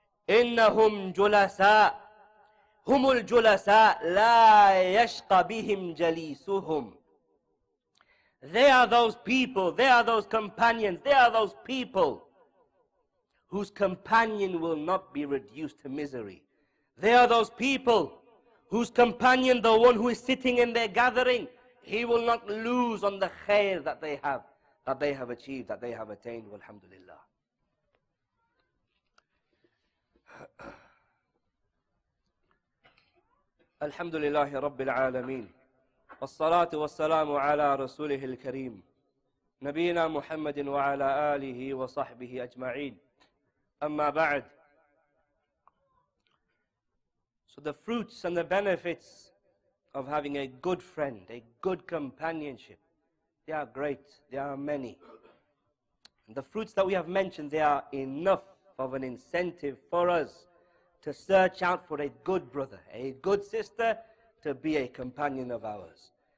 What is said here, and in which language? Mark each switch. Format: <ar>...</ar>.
<ar>إنهم جلساء هم الجلساء لا يشقى بهم جليسهم.</ar> <en>They are those people, they are those companions, they are those people whose companion will not be reduced to misery. They are those people whose companion, the one who is sitting in their gathering, he will not lose on the khair that they have achieved, that they have attained.</en> <ar>Alhamdulillah. Alhamdulillah, Rabbil Alameen. والصلاة والسلام على رسوله الكريم نبينا محمد وعلى آله وصحبه أجمعين أما بعد.</ar> <en>So the fruits and the benefits of having a good friend, a good companionship, they are great, they are many. And the fruits that we have mentioned, they are enough of an incentive for us to search out for a good brother, a good sister, to be a companion of ours.</en>